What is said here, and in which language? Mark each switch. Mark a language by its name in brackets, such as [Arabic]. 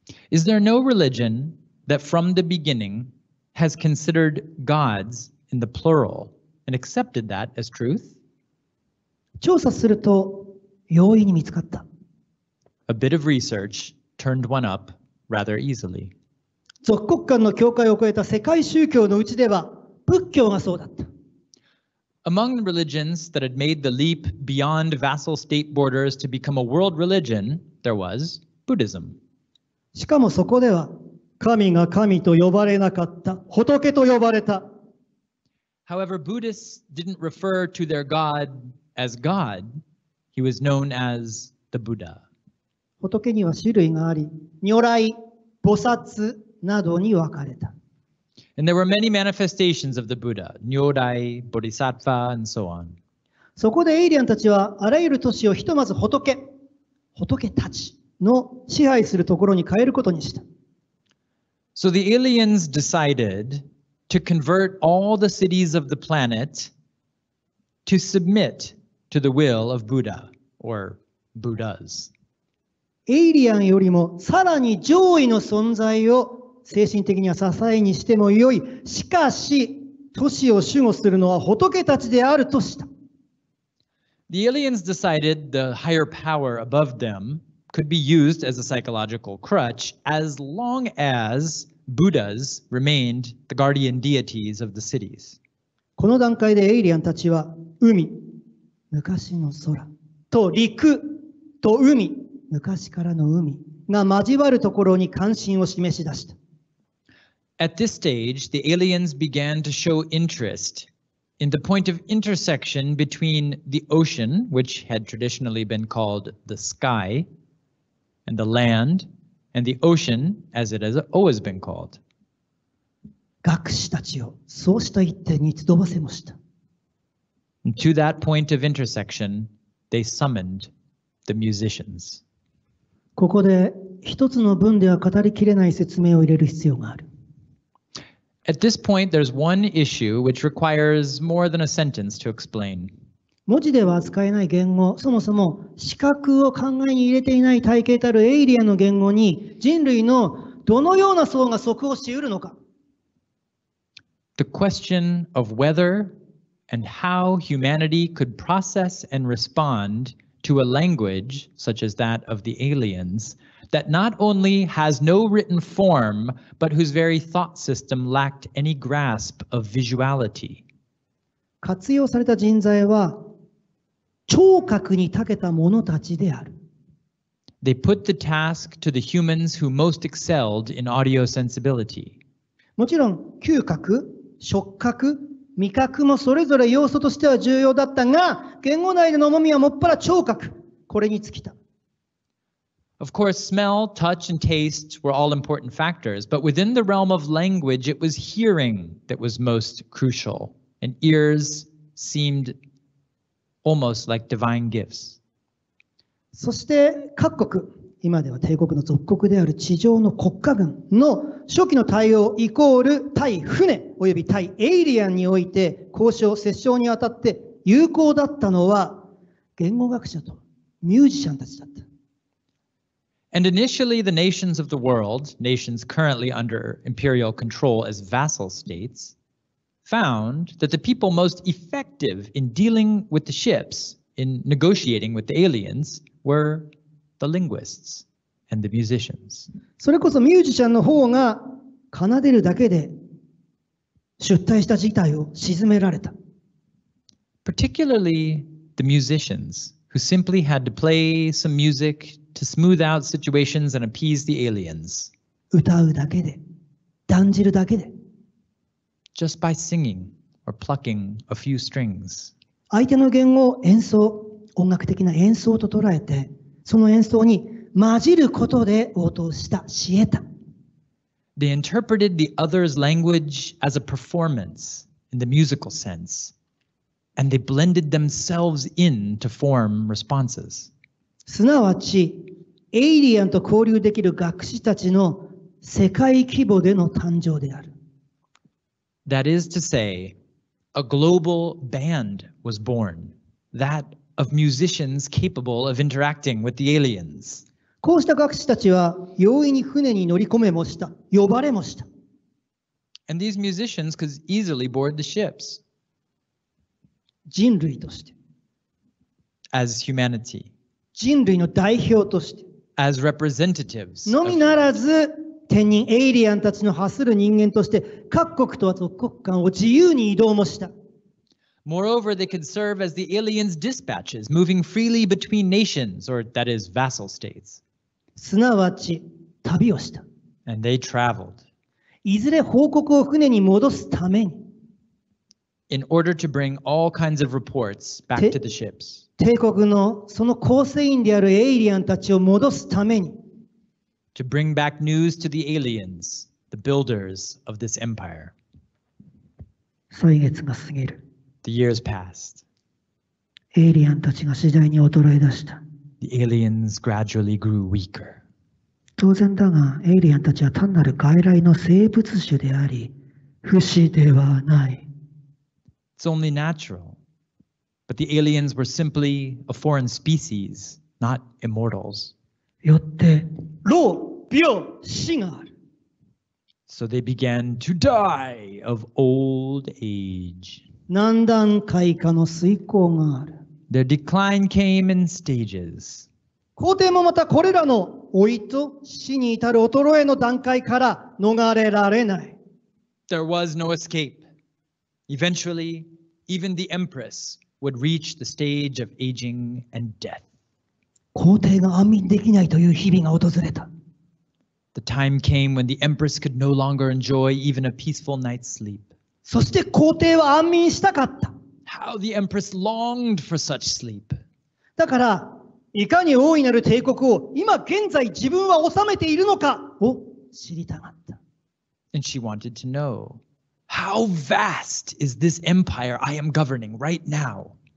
[English] Is there no religion that from the beginning has considered gods in the plural and accepted that as truth? [Japanese] 調査すると、容易に見つかった。 [English] A bit of research turned one up rather easily. [Japanese] 属国間の境界を越えた世界宗教のうちでは、仏教がそうだった。 [English] Among the religions that had made the leap beyond vassal state borders to become a world religion, there was Buddhism. [Japanese] しかもそこでは、神が神と呼ばれなかった、仏と呼ばれた。 [English] However, Buddhists didn't refer to their god as God. He was known as the Buddha. [Japanese] 仏には種類があり、如来、菩薩などに分かれた。 [English] And there were many manifestations of the Buddha, Nyōrai, Bodhisattva, and so on. [Japanese] そこでエイリアンたちはあらゆる都市をひとまず仏たちの支配するところに変えることにした。 [English] So the aliens decided to convert all the cities of the planet to submit to the will of Buddha, or Buddhas. [Japanese] エイリアンよりもさらに上位の存在を精神的には支えにしてもよい。しかし、都市を守護するのは仏たちであるとした。 [English] The aliens decided the higher power above them could be used as a psychological crutch as long as Buddhas remained the guardian deities of the cities. [Japanese] この段階でエイリアンたちは海、昔の空と陸と海、昔からの海が交わるところに関心を示し出した。 [English] At this stage, the aliens began to show interest in the point of intersection between the ocean, which had traditionally been called the sky, and the land, and the ocean, as it has always been called. [Japanese] 学士たちをそうした一点に集わせました。 [English] And to that point of intersection, they summoned the musicians. [Japanese] ここで一つの文では語りきれない説明を入れる必要がある。 [English] At this point, there's one issue which requires more than a sentence to explain. [Japanese] 文字では扱えない言語、そもそも視覚を考えに入れていない体系たるエイリアンの言語に人類のどのような層が即応しうるのか。 [English] The question of whether and how humanity could process and respondto a language such as that of the aliens that not only has no written form but whose very thought system lacked any grasp of visuality. [Japanese] 活用された人材は聴覚に長けた者たちである。 [English] They put the task to the humans who most excelled in audio sensibility. [Japanese] もちろん嗅覚、触覚、味覚もそれぞれ要素としては重要だったが、言語内での重みはもっぱら聴覚、これに尽きた。 [English] Of course, smell, touch, and taste were all important factors, but within the realm of language, it was hearing that was most crucial, and ears seemed almost like divine gifts. [Japanese] そして各国、今では帝国の属国である地上の国家軍の初期の対応イコール対船および対エイリアンにおいて交渉折衝にあたって有効だったのは言語学者とミュージシャンたちだった。 [English] And initially the nations of the world, nations currently under imperial control as vassal states, found that the people most effective in dealing with the ships, in negotiating with the aliens, were the linguists. And the musicians. [Japanese] それこそミュージシャンの方が奏でるだけで出退した事態を沈められた。 [English] Particularly the musicians who simply had to play some music to smooth out situations and appease the aliens. [Japanese] 歌うだけで、弾じるだけで。 [English] Just by singing or plucking a few strings. [Japanese] 相手の言語を演奏、音楽的な演奏と捉えて、その演奏に混じることで応答した、しえた。 [English] They interpreted the other's language as a performance in the musical sense, and they blended themselves in to form responses. [Japanese] すなわち、エイリアンと交流できる学士たちの世界規模での誕生である。 [English] That is to say, a global band was born, that of musicians capable of interacting with the aliens. [Japanese] こうした学士たちは容易に船に乗り込めもした、呼ばれもした。 [English] And these musicians could easily board the ships. [Japanese] 人類として。 [English] As humanity. [Japanese] 人類の代表として。 [English] As representatives. [Japanese] のみならず、天人、エイリアンたちの発する人間として、各国とは属国間を自由に移動もした。 [English] Moreover, they could serve as the aliens' dispatches, moving freely between nations, or that is, vassal states. [Japanese] すなわち旅をした。 [English] And they traveled. [Japanese] いずれ報告を船に戻すために。 [English] In order to bring all kinds of reports back to the ships. [Japanese] 帝国のその構成員であるエイリアンたちを戻すために。 [English] To bring back news to the aliens, the builders of this empire. [Japanese] 歳月が過ぎる。 [English] The years passed. [Japanese] エイリアンたちが次第に衰え出した。 [English] The aliens gradually grew weaker. [Japanese] 当然だが、エイリアンたちは単なる外来の生物種であり、不死ではない。 [English] It's only natural, but the aliens were simply a foreign species, not immortals. [Japanese] よって、老、病、死がある。 [English] So they began to die of old age. [Japanese] 何段階かの衰降がある。 [English] Their decline came in stages. [Japanese] 皇帝もまたこれらの老いと死に至る衰えの段階から逃れられない。 [English] There was no escape. Eventually, even the empress would reach the stage of aging and death. [Japanese] 皇帝が安眠できないという日々が訪れた。 [English] The time came when the empress could no longer enjoy even a peaceful night's sleep. [Japanese] そして皇帝は安眠したかった。 [English] How the empress longed for such sleep. [Japanese] だから、いかに大いなる帝国を今現在自分は治めているのかを知りたかった。 [English] And she wanted to know, how vast is this empire I am governing right now?